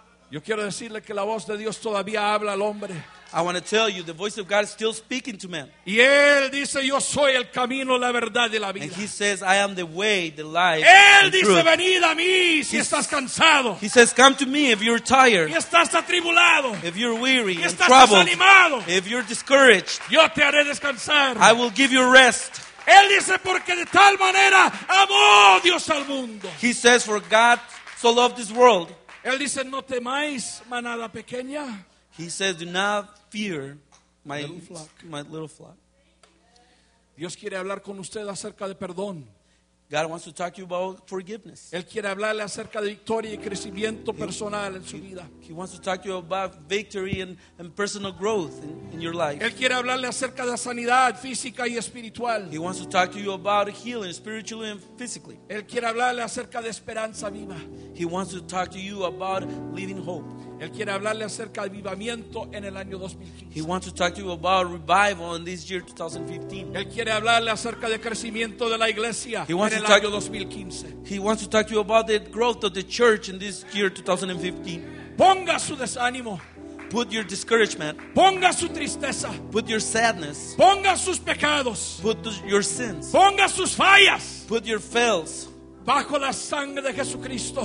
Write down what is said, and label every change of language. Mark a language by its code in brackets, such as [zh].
[es] Yo quiero decirle que la voz de Dios todavía habla al hombre. [en] I want to tell you the voice of God is still speaking to man. [es] Y él dice yo soy el camino, la verdad y la vida. [en] And he says I am the way, the life. [es] Él [en] the [es] dice [en] truth. [es] Venid a mí si estás cansado. [en] He says come to me if you're tired. [es] Y estás atribulado. [en] If you're weary [es] y [en] and troubled. [es] Desanimado. [en] If you're discouraged. [es] Yo te haré descansar. [en] I will give you rest. [es] Él dice porque de tal manera amó Dios al mundo. [en] He says for God so loved this world. [es] Él dice no temáis manada pequeña. [en] He says do not fear my little flock. [es] Dios quiere hablar con usted acerca de perdón. [en] God wants to talk to you about forgiveness. [es] Él quiere hablarle acerca de victoria y crecimiento personal en su vida. [en] He wants to talk to you about victory and personal growth in your life. [es] Él quiere hablarle acerca de sanidad física y espiritual. [en] He wants to talk to you about healing spiritually and physically. [es] Él quiere hablarle acerca de esperanza viva. [en] He wants to talk to you about living hope. [es] Él quiere hablarle acerca de avivamiento en el año 2015. [en] He wants to talk to you about revival in this year 2015. [es] Él quiere hablarle acerca de crecimiento de la iglesia en el año 2015. [en] He wants to talk to you about the growth of the church in this year 2015. [es] Ponga su desánimo. [en] Put your discouragement. [es] Ponga su tristeza. [en] Put your sadness. [es] Ponga sus pecados. [en] Put your sins. [es] Ponga sus fallas. [en] Put your fails. [es] Bajo la sangre de Jesucristo.